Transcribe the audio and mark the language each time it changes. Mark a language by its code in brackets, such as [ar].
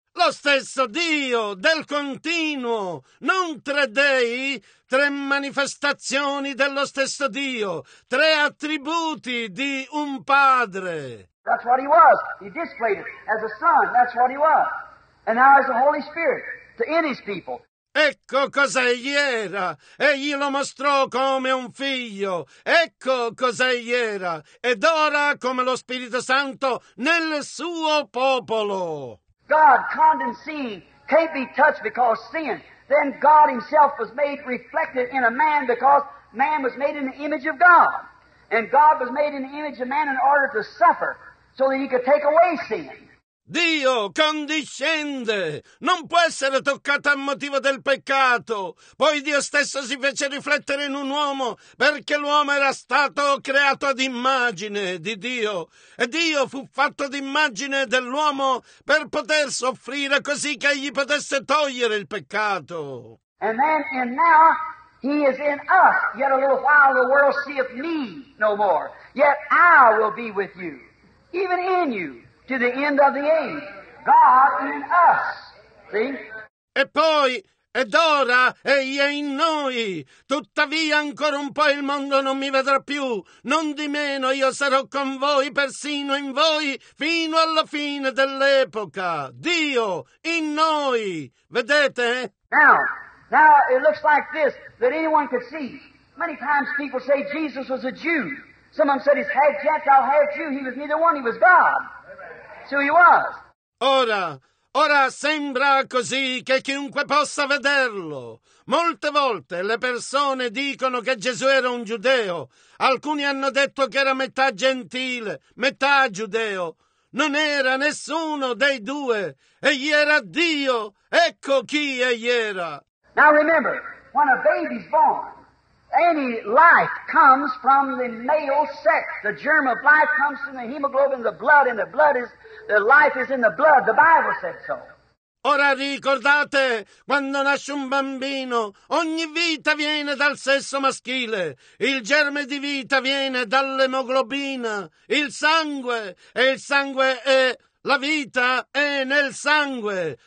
[it] Lo stesso Dio, del continuo, non tre dei, tre manifestazioni dello stesso Dio, tre attributi di un Padre. [en] That's what he was. He displayed it as a Son. That's what he was. And now as the Holy Spirit to any people. [it] Ecco cos'egli era. Egli lo mostrò come un Figlio. Ecco cos'egli era. Ed ora come lo Spirito Santo nel suo popolo. [en] God condescending can't be touched because sin. Then God himself was made reflected in a man because man was made in the image of God. And God was made in the image of man in order to suffer so that he could take away sin. [it] Dio condiscende, non può essere toccato a motivo del peccato. Poi Dio stesso si fece riflettere in un uomo, perché l'uomo era stato creato ad immagine di Dio. E Dio fu fatto d'immagine dell'uomo per poter soffrire così che egli potesse togliere il peccato. [en] And then, and now, he is in us. Yet a little while the world seeth me no more. Yet I will be with you, even in you. To the end of the age, God in us. See? [it] E poi, ed ora, egli è in noi. Tuttavia, ancora un po' il mondo non mi vedrà più. Non di meno, io sarò con voi, persino in voi, fino alla fine dell'epoca. Dio in noi. Vedete? [en] Now it looks like this, that anyone could see. Many times people say Jesus was a Jew. Some of them said he's half Gentile, half Jew. He was neither one, he was God. So he was. [it] Ora sembra così che chiunque possa vederlo. Molte volte le persone dicono che Gesù era un giudeo. Alcuni hanno detto che era metà gentile, metà giudeo. Non era nessuno dei due. Egli era Dio. Ecco chi egli era. [en] Now remember, when a baby's born, any life comes from the male sex. The germ of life comes from the hemoglobin, the blood, and the blood is... The life is in the blood, the Bible said so. [it] Ora ricordate, quando nasce un bambino, ogni vita viene dal sesso maschile. Il germe di vita viene dall'emoglobina, il sangue, e il sangue è la vita è nel sangue.